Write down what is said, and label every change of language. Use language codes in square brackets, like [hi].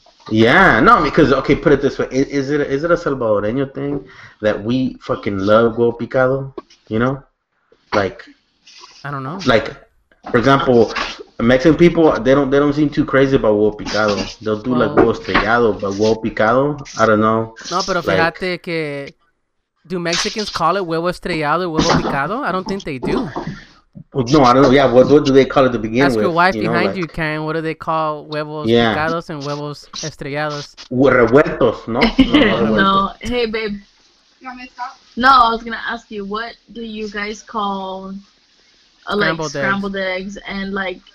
[en] Yeah, no, because okay, put it this way: is it a Salvadoreño thing that we fucking love huevo picado? You know, like I don't know. Like, for example, Mexican people, they don't seem too crazy about huevo picado. They'll do like huevo estrellado, but huevo picado, I don't know. [es] No, pero fíjate que [en] do Mexicans call it [es] huevo estrellado, huevo picado? [en] I don't think they do. Well, no, I don't know. Yeah, what do they call it to begin Ask with? Ask your wife you behind know, like, you, Karen. What do they call huevos picados and huevos estrellados? [es] Revueltos, no? [en] No, no. Hey, babe. You want me to talk? No, I was going to ask you, what do you guys call scrambled eggs and like